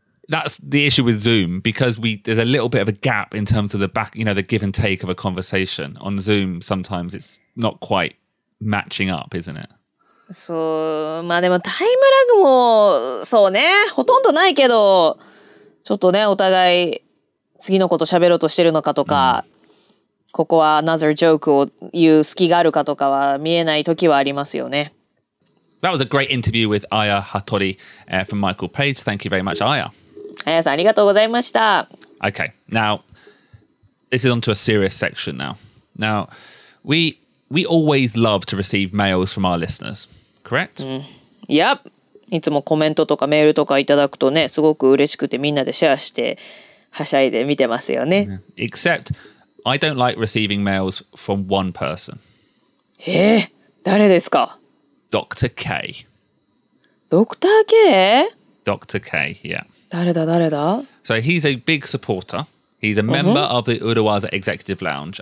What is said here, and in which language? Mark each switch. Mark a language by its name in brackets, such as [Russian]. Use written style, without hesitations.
[English] That's the issue with Zoom because there's a little bit of a gap in terms of the back, you know, the give and take of a conversation. On Zoom, sometimes it's not quite matching up, isn't it? [Japanese] So, まあでもタイムラグもそうね、ほとんどないけど、ちょっとね、お互い次のこと喋ろうとしてるのかとか、ここは [English] another joke [Japanese] を言う隙があるかとかは見えない時はありますよね。 [English] That was a great interview with Aya Hattori, from Michael Page. Thank you very much, Aya. [Japanese] あやさん、ありがとうございました。 [English] Okay, now, this is onto a serious section now. Now, we always love to receive mails from our listeners, correct?、うん、yep. [Japanese] いつもコメントとかメールとかいただくとね、すごく嬉しくてみんなでシェアしてはしゃいで見てますよね。 [English] Except, I don't like receiving mails from one person. [Japanese] 誰ですか? [English] Dr. K. Dr. K? Dr. K, yeah. [Japanese] 誰だ誰だ? [English] So he's a big supporter. He's a member、uh-huh. of the Uruwaza Executive Lounge.